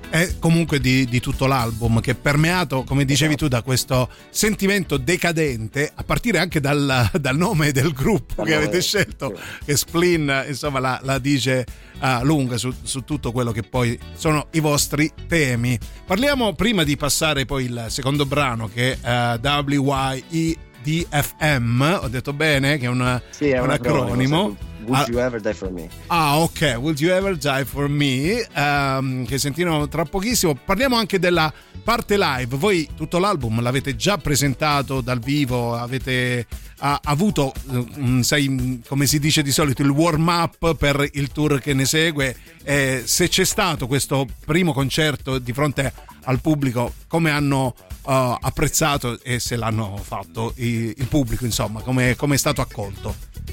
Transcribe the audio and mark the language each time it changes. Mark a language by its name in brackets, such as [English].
[Italian] È comunque di tutto l'album, che è permeato, come dicevi tu, da questo sentimento decadente, a partire anche dal nome del gruppo che avete scelto, che Splin, insomma, la dice lunga su tutto quello che poi sono i vostri temi. Parliamo, prima di passare poi il secondo brano, che è WYEDFM, ho detto bene, che è un acronimo. [English] Would you ever die for me? Ah, ok. Would you ever die for me? [Italian] Che sentiamo tra pochissimo. Parliamo anche della parte live. Voi tutto l'album l'avete già presentato dal vivo, avete avuto, sai, come si dice di solito, il warm up per il tour che ne segue. Se c'è stato questo primo concerto di fronte al pubblico, come hanno apprezzato, e se l'hanno fatto il pubblico, insomma, come è stato accolto?